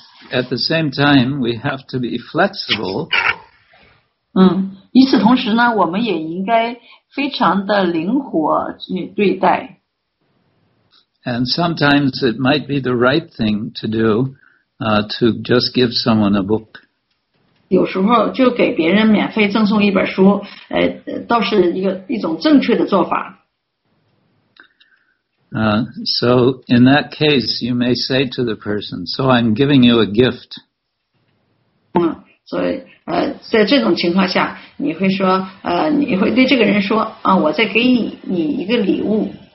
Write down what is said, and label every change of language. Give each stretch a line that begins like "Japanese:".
English: At the same time, we have to be flexible.
Chinese: 与此同时呢，我们也应该非常的灵活去对待。
English: And sometimes it might be the right thing to do, to just give someone a book.
Chinese: 有时候就给别人免费赠送一本书，倒是一种正确的做法。
English: So in that case, you may say to the person, "So I'm giving you a gift."
Chinese: 所以，在这种情况下，你会说，你会对这个人说，我在给你一个礼物。